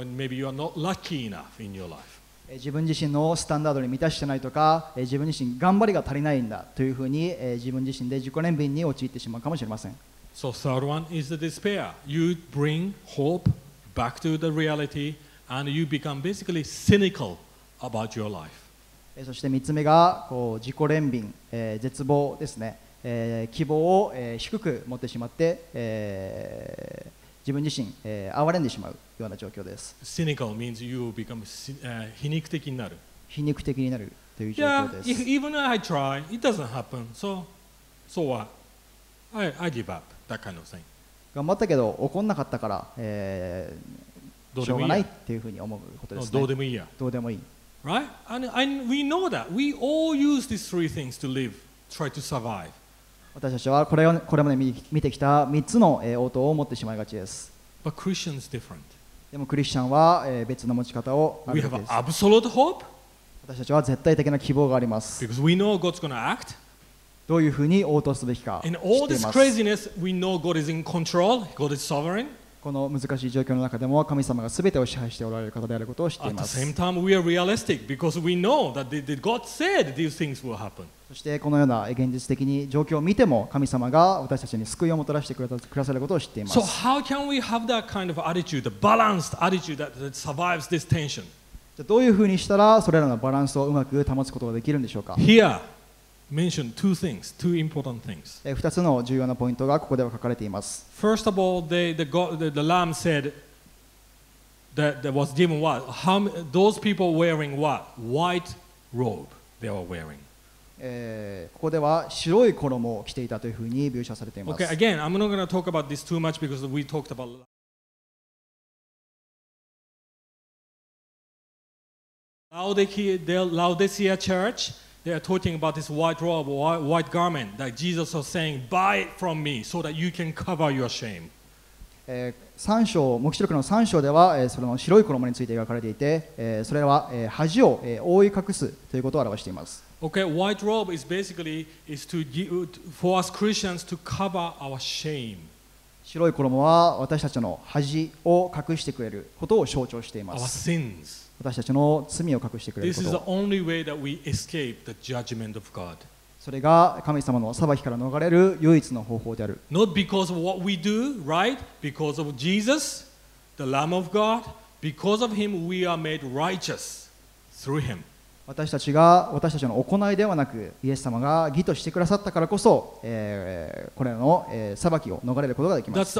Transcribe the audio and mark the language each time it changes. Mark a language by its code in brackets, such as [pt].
[en] Or maybe you are not lucky enough in your life. [ja] 自分自身のスタンダードに満たしてないとか、自分自身頑張りが足りないんだというふうに、自分自身で自己憐憫に陥ってしまうかもしれません。 [en] So third one is the despair. You bring hope. Back to the reality, and you become basically cynical about your life. [ja] そして3つ目がこう自己憐憫、絶望ですね。希望を、低く持ってしまって、自分自身、哀れんでしまうような状況です。 [en] Cynical means you become [ja] 皮肉的になる。皮肉的になるという状況です。 [en] Yeah, even though I try, it doesn't happen. So what? I give up. That kind of thing. [ja] 頑張ったけど怒んなかったから、しょうがないっていうふうに思うことですね。どうでもいいや。どうでもいい。 [en] Right? And we know that. We all use these three things to live, try to survive. [ja] 私たちはこれまで見てきた3つの応答を持ってしまいがちです。 [en] But Christian's different. [ja] でもクリスチャンは別の持ち方をあるわけです。 [en] We have absolute hope. [ja] 私たちは絶対的な希望があります。 [en] Because we know God's going to act. [ja] どういうふうに応答すべきか知っています。 [en] In all this craziness, we know God is in control. God is sovereign. [ja] この難しい状況の中でも神様が全てを支配しておられる方であることを知っています。 [en] At the same time, we are realistic because we know that God said these things will happen. [ja] そしてこのような現実的に状況を見ても神様が私たちに救いをもたらしてくださることを知っています。 [en] So how can we have that kind of attitude, the balanced attitude that survives this tension? [ja] じゃあどういうふうにしたらそれらのバランスをうまく保つことができるんでしょうか。 [en] Here. Mention two things, two important things. [ja] 2つの重要なポイントがここでは書かれています。 [en] First of all, the lamb said that there was given what? How those people wearing what? White robe they were wearing. [ja] ここでは白い衣を着ていたというふうに描写されています。 [en] Okay, again, I'm not going to talk about this too much because we talked about. Laodicea Church. They are talking about this white robe, white garment that Jesus was saying, buy it from me so that you can cover your shame. [ja] 3章、黙示録の3章では、その白い衣について描かれていて、それは、恥を、覆い隠すということを表しています。 [en] Okay, white robe is basically is to give, for us Christians to cover our shame. [ja] 白い衣は私たちの恥を隠してくれることを象徴しています。 [en] Our sins. [ja] 私たちの罪を隠してくれること。 [en] This is the only way that we escape the judgment of God. [ja] それが神様の裁きから逃れる唯一の方法である。 [en] Not because of what we do, right? Because of Jesus, the Lamb of God. Because of Him, we are made righteous through Him. [ja] 私たちが私たちの行いではなくイエス様が義としてくださったからこそ、これらの、裁きを逃れることができます。